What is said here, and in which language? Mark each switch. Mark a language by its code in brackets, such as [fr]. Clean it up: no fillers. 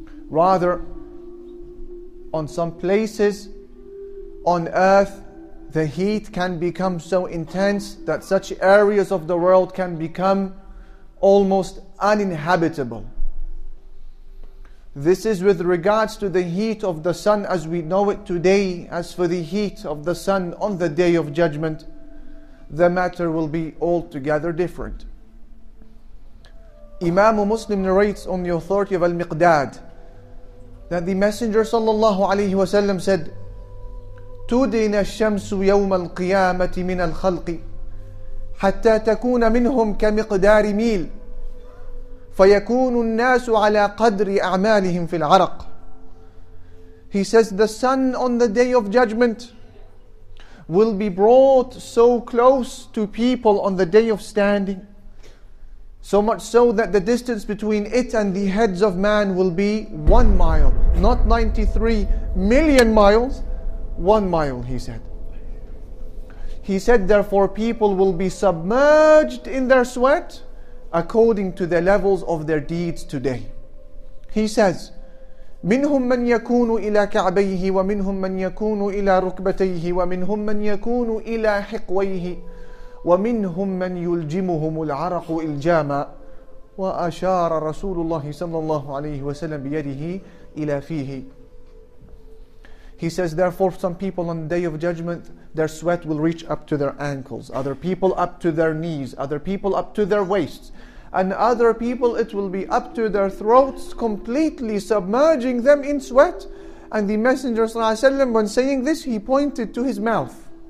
[en] Rather, on some places on Earth, the heat can become so intense that such areas of the world can become almost uninhabitable. This is with regards to the heat of the sun as we know it today. As for the heat of the sun on the Day of Judgment, the matter will be altogether different. Imam Muslim narrates on the authority of Al-Miqdad that the Messenger sallallahu alayhi wa sallam said, [ar] تدين الشمس يوم القيامة من الخلق حتى تكون منهم كمقدار ميل فيكون الناس على قدر أعمالهم في العرق. [en] He says, the sun on the Day of Judgment will be brought so close to people on the Day of Standing, so much so that the distance between it and the heads of man will be 1 mile, not 93 million miles. 1 mile, he said. He said, therefore, people will be submerged in their sweat according to the levels of their deeds today. He says, [ar] منهم من يكون إلى كعبيه ومنهم من يكون إلى ركبتيه ومنهم من يكون إلى حقويه ومنهم من يلجمهم العرق إلجاما. وأشار رسول الله صلى الله عليه وسلم بيده إلى فيه. [en] He says, therefore, some people on the Day of Judgment, their sweat will reach up to their ankles, other people up to their knees, other people up to their waists, and other people it will be up to their throats, completely submerging them in sweat. And the Messenger ﷺ, when saying this, he pointed to his mouth.